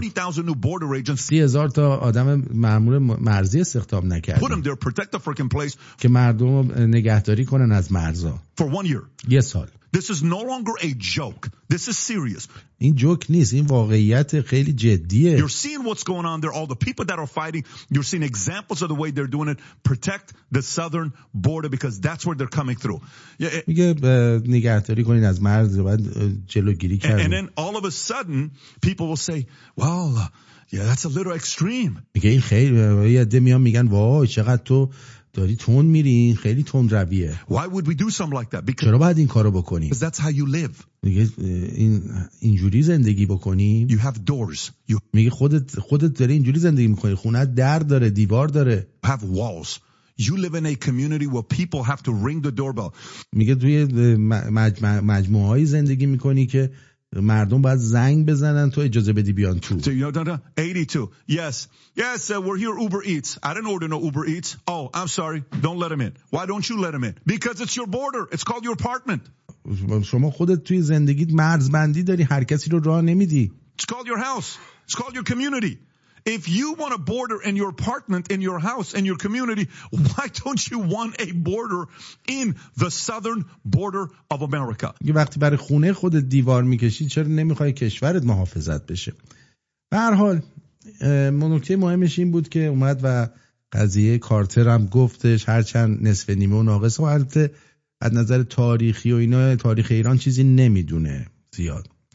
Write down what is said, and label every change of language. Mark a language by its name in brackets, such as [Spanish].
[English] 30,000 new border agents. [Persian] 30,000 تا آدم مامور مرزی استخدام نکرد. [English] Put them there, protect the freaking place. [Persian] که مردم رو نگهداری کنن از مرزا. [English] For 1 year. [Persian] یه سال. [English] This is no longer a joke. This is serious. [Persian] این جوک نیست، این واقعیت خیلی جدیه. [English] You're seeing what's going on there, all the people that are fighting. You're seeing examples of the way they're doing it. Protect the southern border because that's where they're coming through. [Persian] میگه نگهداری کنین از مرز، بعد جلوگیری کردن. [English] And then all of a sudden people will say, "Well, yeah, that's a little extreme." [Persian] میگه خیلی یاده میام میگن وای چقدر تو داری تون میری، خیلی تون رویه. [English] Why would we do something like that? [Persian] چرا باید این کارو بکنی؟ [English] Because that's how you live. [Persian] میگه اینجوری زندگی بکنی. [English] You have doors. You [Persian] میگه خودت داری اینجوری زندگی میکنی. خونت در داره، دیوار داره. [English] Have walls. You live in a community where people have to ring the doorbell. [Persian] میگه توی مجموعه‌ای زندگی میکنی که مردم باید زنگ بزنن تو اجازه بدی بیان تو. [English] So you know, 82. Yes. Yes, we're here Uber Eats. I didn't order no Uber Eats. Oh, I'm sorry. Don't let him in. Why don't you let him in? Because it's your border. It's called your apartment. [Persian] شما خودت توی زندگیت مرزبندی داری، هر کسی رو راه نمیدی. [English] It's called your house. It's called your community. If you want a border in your apartment, in your house, in your community, why don't you want a border in the southern border of America? [Persian] وقتی برای خونه خودت دیوار میکشی، چرا نمیخوای کشورت محافظت بشه؟ به هر حال نکته مهمش این بود که اومد و قضیه کارتر هم گفتش، هرچند نصف نیمه و ناقص و البته از نظر تاریخی و اینا تاریخ ایران چیزی نمیدونه زیاد.